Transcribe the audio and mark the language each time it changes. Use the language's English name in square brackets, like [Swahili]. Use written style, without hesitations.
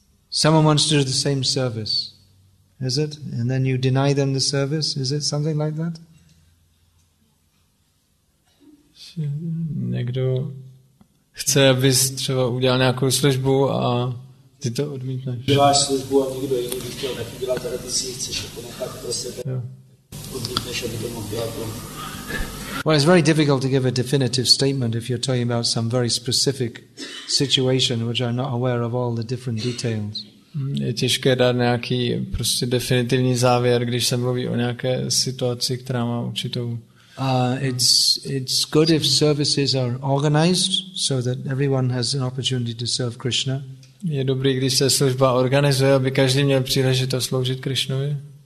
[English] Someone wants to do the same service, is it? And then you deny them the service, is it something like that? [Czech] Někdo chce, abys třeba udělal nějakou službu a ty to odmítneš. Děláš službu a někdo jiný by chtěl taky dělat, ale ty si chceš to nechat pro sebe. Odmítneš, aby to mohl dělat. [English] Well, it's very difficult to give a definitive statement if you're talking about some very specific situation, which I'm not aware of all the different details. [Czech] Je těžké dát nějaký prostě definitivní závěr, když se mluví o nějaké situaci, která má určitou. [English] It's good if services are organized so that everyone has an opportunity to serve Krishna. [Czech] Je dobré, když se služba organizuje, aby každý měl příležitost sloužit Krishnovi.